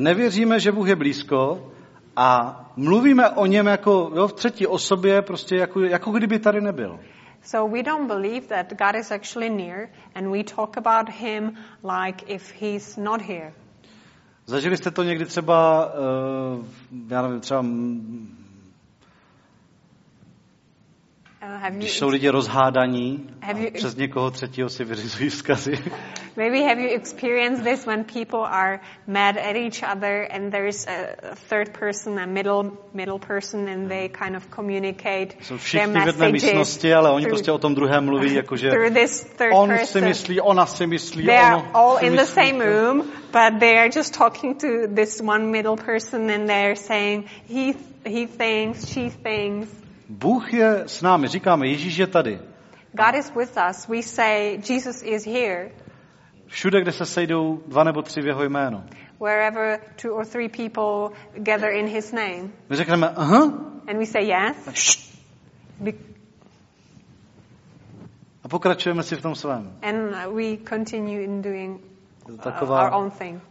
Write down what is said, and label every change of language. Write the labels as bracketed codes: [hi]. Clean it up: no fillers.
[cs] Nevěříme, že Bůh je blízko a mluvíme o něm jako v třetí osobě, prostě jako kdyby tady nebyl. [en] So we don't believe that God is actually near and we talk about him like if he's not here. [cs] Zažili jste to někdy třeba já nevím, třeba když jsou lidi rozhádaní, přes někoho třetího si vyřizují vzkazy. [en] Maybe have you experienced this when people are mad at each other and there is a third person, a middle person and they kind of communicate their messages. [cs] Jsou všichni v jedné místnosti, ale oni prostě o tom druhém mluví, jakože on si myslí, ona si myslí, [en] they are all in the same room, but they are just talking to this one middle person and they are saying he thinks, she thinks. [cs] Bůh je s námi, říkáme, Ježíš je tady. [en] God is with us. We say Jesus is here. [cs] Všude, kde se sejdou dva nebo tři v jeho jménu. [en] Wherever two or three people gather in his name. [cs] My řekneme, aha. [en] And we say yes. [cs] A pokračujeme si v tom svém. [en] And we continue in doing our own thing.